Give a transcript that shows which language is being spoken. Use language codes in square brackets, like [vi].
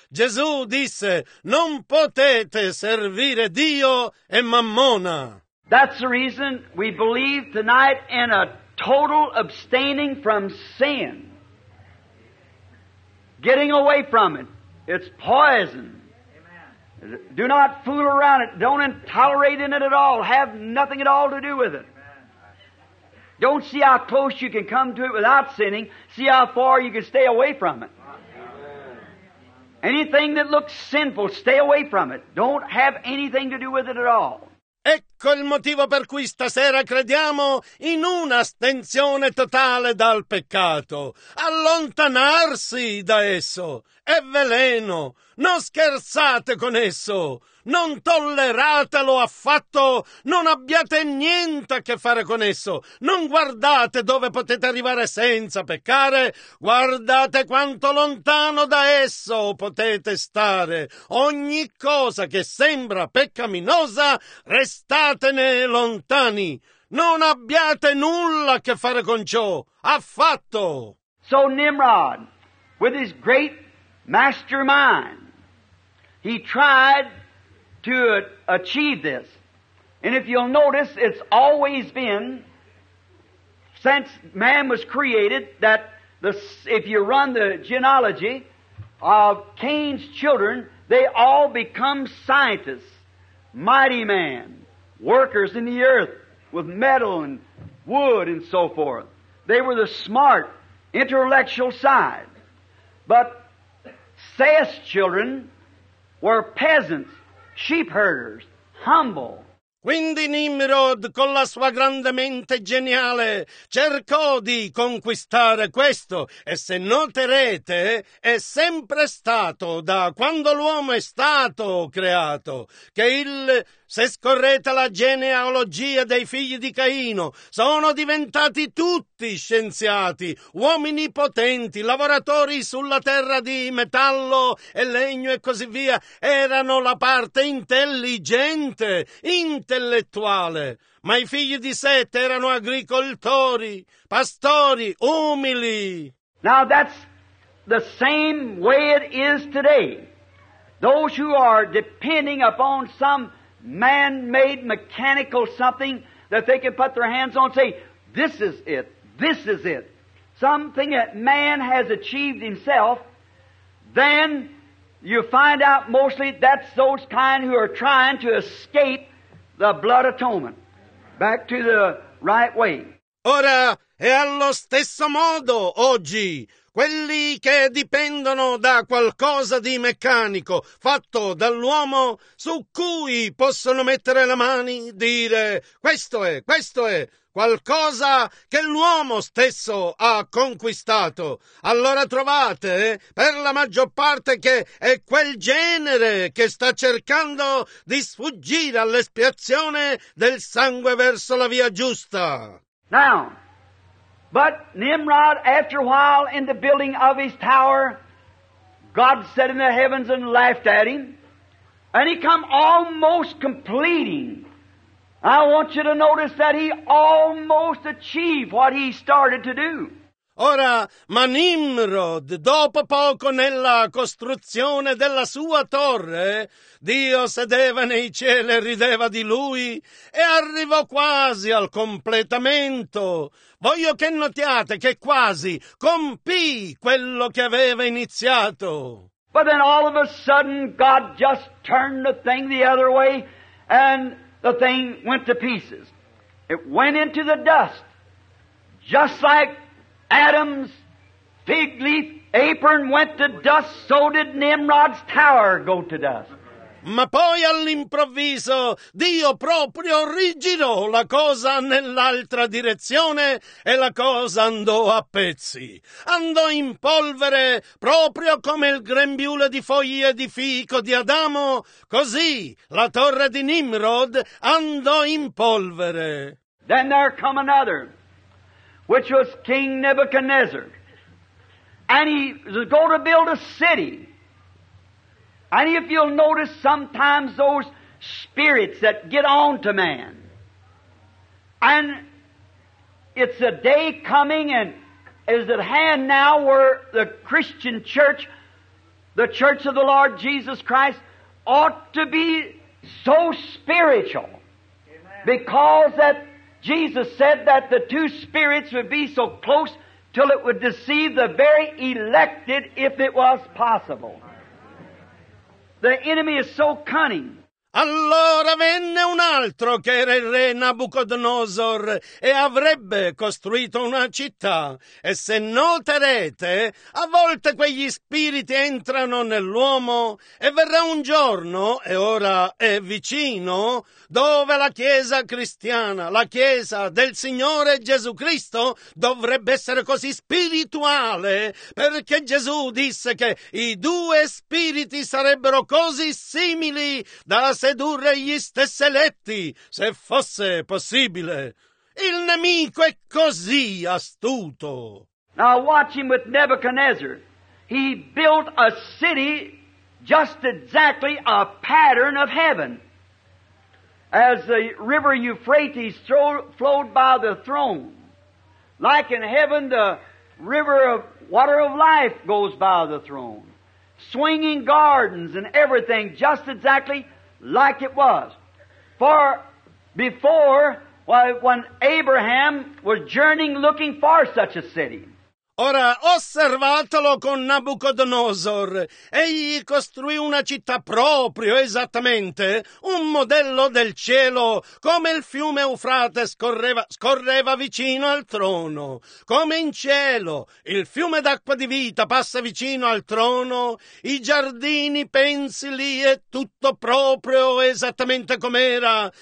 [it] Gesù disse, non potete servire Dio e Mammona. [en] That's the reason we believe tonight in a total abstaining from sin. Getting away from it. It's poison. Do not fool around it. Don't tolerate in it at all. Have nothing at all to do with it. Don't see how close you can come to it without sinning. See how far you can stay away from it. Anything that looks sinful, stay away from it. Don't have anything to do with it at all. [it] Ecco il motivo per cui stasera crediamo in un'astensione totale dal peccato. Allontanarsi da esso è veleno. Non scherzate con esso. Non tolleratelo affatto. Non abbiate niente a che fare con esso. Non guardate dove potete arrivare senza peccare. Guardate quanto lontano da esso potete stare. Ogni cosa che sembra peccaminosa, restatene lontani. Non abbiate nulla a che fare con ciò affatto. [en] So Nimrod, with his great mastermind, he tried to achieve this. And if you'll notice, it's always been, since man was created, that if you run the genealogy of Cain's children, they all become scientists, mighty man, workers in the earth with metal and wood and so forth. They were the smart, intellectual side. But Seth's children were peasants, sheep herders, humble. [it] Quindi Nimrod, con la sua grande mente geniale, cercò di conquistare questo, e se noterete, è sempre stato, da quando l'uomo è stato creato, che se scorrete la genealogia dei figli di Caino, sono diventati tutti scienziati, uomini potenti, lavoratori sulla terra di metallo e legno e così via. Erano la parte intelligente, intellettuale. Ma i figli di Set erano agricoltori, pastori, umili. [en] Now that's the same way it is today. Those who are depending upon some man-made mechanical something that they can put their hands on and say, this is it, this is it. Something that man has achieved himself, then you find out mostly that's those kind who are trying to escape the blood atonement. Back to the right way. [it] Ora è allo stesso modo oggi. Quelli che dipendono da qualcosa di meccanico fatto dall'uomo, su cui possono mettere le mani, dire questo è qualcosa che l'uomo stesso ha conquistato. Allora trovate per la maggior parte che è quel genere che sta cercando di sfuggire all'espiazione del sangue verso la via giusta. [en] Now. But Nimrod, after a while, in the building of his tower, God sat in the heavens and laughed at him. And he come almost completing. I want you to notice that he almost achieved what he started to do. [it] Ora, ma Nimrod, dopo poco nella costruzione della sua torre, Dio sedeva nei cieli e rideva di lui, e arrivò quasi al completamento. Voglio che notiate che quasi compì quello che aveva iniziato. [en] But then all of a sudden God just turned the thing the other way, and the thing went to pieces. It went into the dust, just like Adam's fig leaf apron went to dust, so did Nimrod's tower go to dust. [it] Ma poi all'improvviso Dio proprio rigirò la cosa nell'altra direzione e la cosa andò a pezzi. Andò in polvere proprio come il grembiule di foglie di fico di Adamo, così la torre di Nimrod andò in polvere. [en] Then there come another, which was King Nebuchadnezzar. And he was going to build a city. And if you'll notice, sometimes those spirits that get on to man, and it's a day coming and is at hand now where the Christian church, the church of the Lord Jesus Christ, ought to be so spiritual. Amen. Because that Jesus said that the two spirits would be so close till it would deceive the very elected if it was possible. The enemy is so cunning. [it] Allora venne un altro che era il re Nabucodonosor e avrebbe costruito una città. E se noterete, a volte quegli spiriti entrano nell'uomo e verrà un giorno, e ora è vicino, dove la Chiesa cristiana, la Chiesa del Signore Gesù Cristo, dovrebbe essere così spirituale, perché Gesù disse che i due spiriti sarebbero così simili da sedurre gli stessi eletti, se fosse possibile. Il nemico è così astuto. [en] Now watch him with Nebuchadnezzar. He built a city just exactly a pattern of heaven. As the river Euphrates flowed by the throne. Like in heaven the river of water of life goes by the throne. Swinging gardens and everything just exactly like it was. For before, when Abraham was journeying looking for such a city. [it] Ora, osservatelo con Nabucodonosor. Egli costruì una città proprio, esattamente, un modello del cielo, come il fiume Eufrate scorreva vicino al trono. Come in cielo il fiume d'acqua di vita passa vicino al trono, i giardini, pensi lì, è tutto proprio, esattamente com'era.